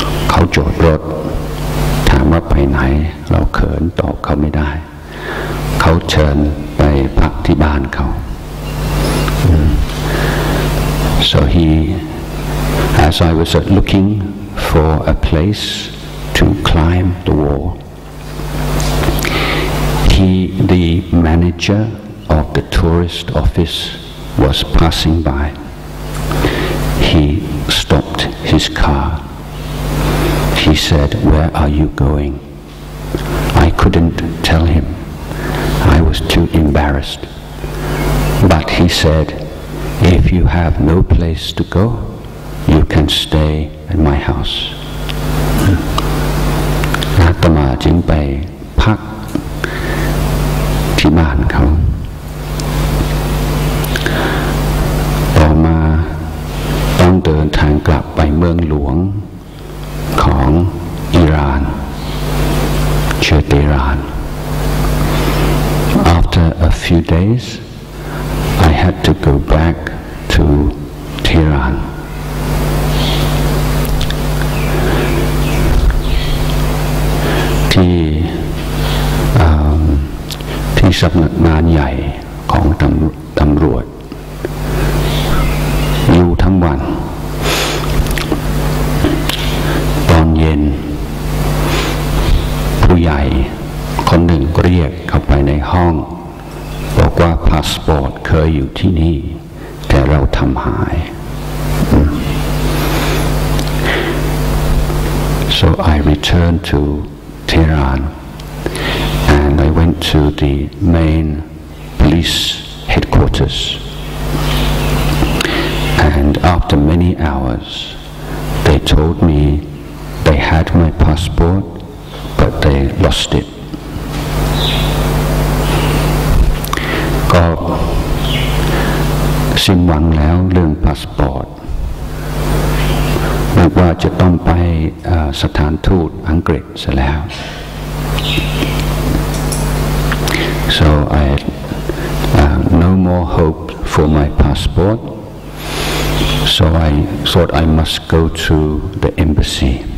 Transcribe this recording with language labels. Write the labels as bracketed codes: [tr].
[th] เขาจอดรถถามว่าไปไหนเราเขินตอบเขาไม่ได้เขาเชิญไปพักที่บ้านเขา [en] so he as I was looking for a place to climb the wallThe manager of the tourist office was passing by. He stopped his car. He said, "Where are you going?" I couldn't tell him. I was too embarrassed. But he said, "If you have no place to go, you can stay at my house." [th] อาตมาจึงไปพักที่บ้านเขาต่อมาต้องเดินทางกลับไปเมืองหลวงของอิหร่านเชเตรา [en] After a few days I had to go back to Tehran [th] ที่ที่สำนักงานใหญ่ของตำรวจอยู่ทั้งวันตอนเย็นผู้ใหญ่คนหนึ่งเรียกเข้าไปในห้องบอกว่าพาสปอร์ตเคยอยู่ที่นี่แต่เราทำหาย [en] So I returned to Tehran and I went to the main police headquarters. And after many hours, they told me they had my passport, but they lost it. [th] ก็สิ้นหวังแล้วเรื่องพาสปอร์ตนึกว่าจะต้องไปสถานทูตอังกฤษซะแล้ว [en] So I had no more hope for my passport So I thought I must go to the embassy